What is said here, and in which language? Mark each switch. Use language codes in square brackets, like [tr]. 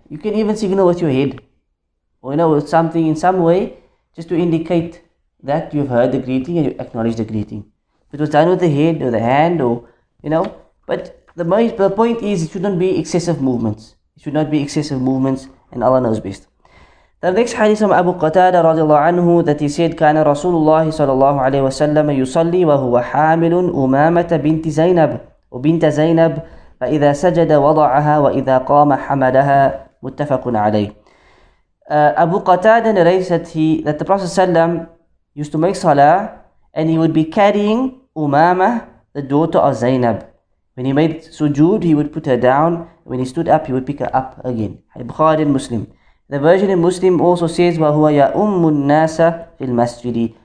[en] You can even signal with your head, or you know, with something in some way, just to indicate that you've heard the greeting and you acknowledge the greeting. If it was done with the head or the hand or, you know, but the point is it shouldn't be excessive movements. It should not be excessive movements, and Allah knows best. The next hadith from Abu Qatada radiallahu anhu, that he said, [ar] كان رسول الله صلى الله عليه وسلم يصلي وهو حامل أمامة بنت زينب وبنت زينب فإذا سجد وضعها وإذا قام حملها متفق عليه. [en] Abu Qatada narrates that the Prophet sallam used to make salah, and he would be carrying Umama, the daughter of Zainab. When he made sujood, he would put her down. When he stood up, he would pick her up again. Bukhari and Muslim. The version in Muslim also says, [ar] وَهُوَ يَأُمُّ النَّاسَ فِي الْمَسْجِدِ.